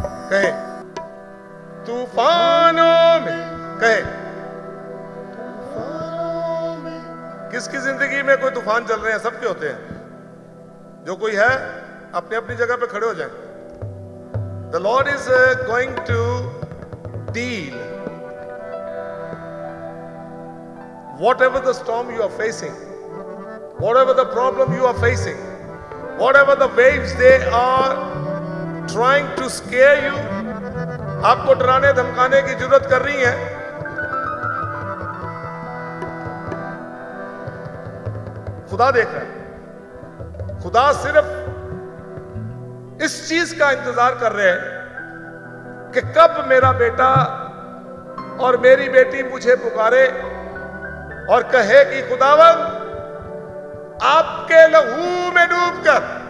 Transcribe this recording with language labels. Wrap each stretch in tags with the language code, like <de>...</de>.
<ur>کہے طوفانوں میں کہے کس کی زندگی میں کوئی طوفان چل رہے ہیں سب کے ہوتے ہیں جو کوئی ہے اپنی اپنی جگہ پہ کھڑے ہو جائیں.</ur> <en>The Lord is going to deal whatever the storm you are facing, whatever the problem you are facing, whatever the waves they are trying to scare you,</en> <ur>آپ کو ڈرانے دھمکانے کی ضرورت کر رہی ہیں. خدا دیکھ رہا ہے, خدا صرف اس چیز کا انتظار کر رہے ہیں کہ کب میرا بیٹا اور میری بیٹی مجھے پکارے اور کہے کہ خداون آپ کے لہو میں ڈوب کر</ur>